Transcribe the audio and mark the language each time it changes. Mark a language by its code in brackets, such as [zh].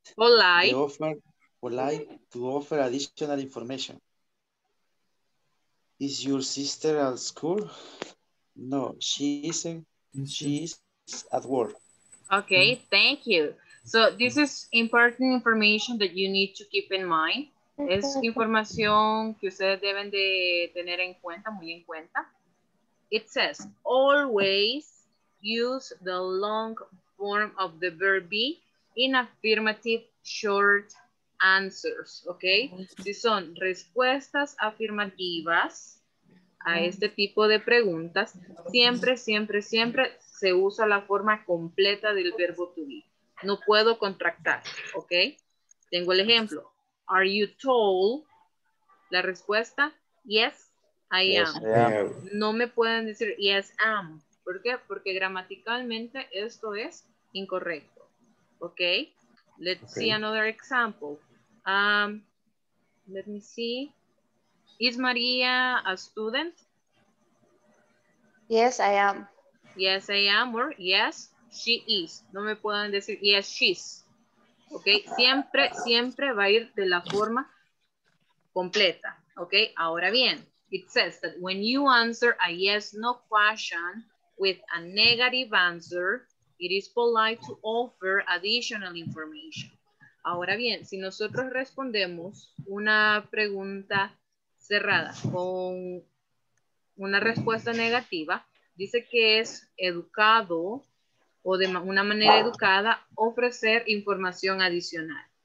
[en] to offer to offer additional information. Is your sister at school? No, she isn't. She is at work. Okay, thank you. So this is important information that you need to keep in mind. [es] Es información que ustedes deben de tener en cuenta, muy en cuenta. [en] It says, always use the long form of the verb be in affirmative short answers, okay? [es] Si son respuestas afirmativas a este tipo de preguntas, siempre, siempre, siempre se usa la forma completa del verbo to be. No puedo contractar, ¿ok? Tengo el ejemplo. [en] Are you tall? [es] La respuesta, [en] yes, I am. Yes, I am. [es] No me pueden decir, [en] yes, I am. [es] ¿Por qué? Porque gramaticalmente esto es incorrecto, ¿ok? [en] Let's see another example. Let me see. Is Maria a student? Yes, I am. Yes, I am, or yes, she is. [es] No me pueden decir, [en] yes, she's. [es] Ok, siempre, siempre va a ir de la forma completa. [en] Ok, [es] ahora bien, [en] it says that when you answer a yes, no question with a negative answer, it is polite to offer additional information. [es] Ahora bien, si nosotros respondemos una pregunta cerrada con una respuesta negativa, dice que es educado o de una manera educada ofrecer información adicional.